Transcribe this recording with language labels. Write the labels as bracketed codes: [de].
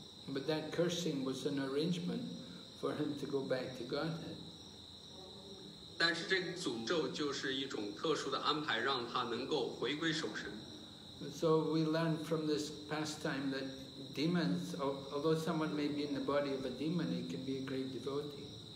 [en] But that cursing was an arrangement for him to go back to Godhead. [zh] 但是这个诅咒就是一种特殊的安排，让他能够回归守神。 [en] So we learn from this pastime that demons, although someone may be in the body of a demon, he can be a great devotee.